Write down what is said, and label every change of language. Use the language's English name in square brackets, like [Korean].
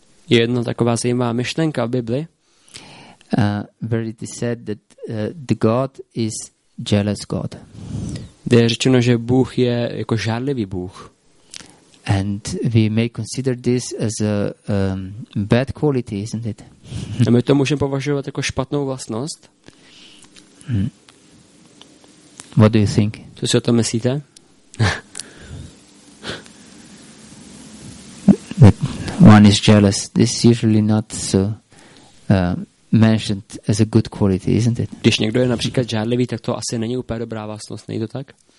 [Czech] Je jedna taková zajímavá myšlenka v Bibli. [English] Where it is said that the God is jealous God. [Czech] Je řečeno, že Bůh je jako žárlivý Bůh. [English] And we may consider this as a bad quality, isn't it? [Czech] A my to můžeme považovat jako špatnou vlastnost. [English] What do you think? [Czech] Co si o tom myslíte? [English] One is jealous. This is usually not so mentioned as a good quality, isn't it? [Czech] Když někdo je například žárlivý, tak to asi není úplně dobrá vlastnost, není to tak?